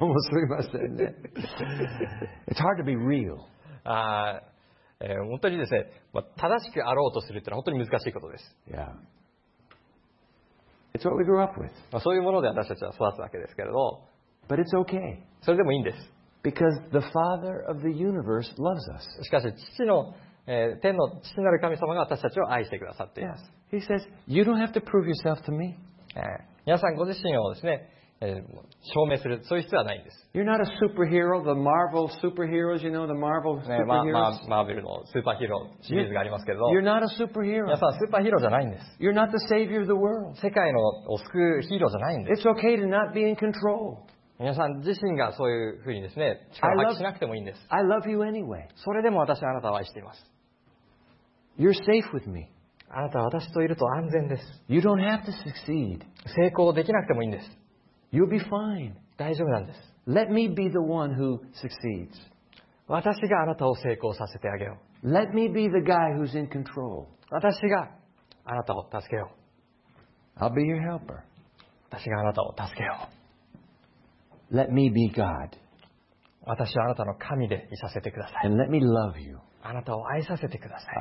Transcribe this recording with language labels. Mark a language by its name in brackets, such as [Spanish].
[Japanese] どうもすみませんね。 [English] It's hard to be real. [Japanese] 本当にですね、まあ、正しくあろうとするというのは本当に難しいことです。 [English] Yeah. It's what we grew up with. [Japanese] まあ、そういうもので私たちは育つわけですけれど、 [English] But it's okay. [Japanese] それでもいいんです。 [English] Because the Father of the universe loves us. [Japanese] しかし父の、天の父なる神様が私たちを愛してくださっています。 [English] He says, you don't have to prove yourself to me. [Japanese] 皆さんご自身をですね、証明するそういう必要はないんです。 [English] You're not a superhero, the Marvel superheroes, you know, the Marvel superheroes. [Japanese] マーベルのスーパーヒーローシリーズがありますけれど。 [English] You're not a superhero. [Japanese] 皆さんスーパーヒーローじゃないんです。 [English] You're not the savior of the world. [Japanese] 世界のを救うヒーローじゃないんです。 [English] It's okay to not be in control. [Japanese] 皆さん自身がそういうふうにですね、力を発揮しなくてもいいんです。 [English] I love you anyway. [Japanese] それでも私はあなたを愛しています。 [English] You're safe with me. [Japanese] あなたは私といると安全です。 [English] You don't have to succeed. [Japanese] 成功できなくてもいいんです。 [English] You'll be fine. [Japanese] 大丈夫なんです。 [English] Let me be the one who succeeds. [Japanese] 私があなたを成功させてあげよう。 [English] Let me be the guy who's in control. [Japanese] 私があなたを助けよう。 [English] I'll be your helper. [Japanese] 私があなたを助けよう。 [English] Let me be God. [Japanese] 私はあなたの神でいさせてください。 [English] And let me love you. [Japanese] あなたを愛させてください。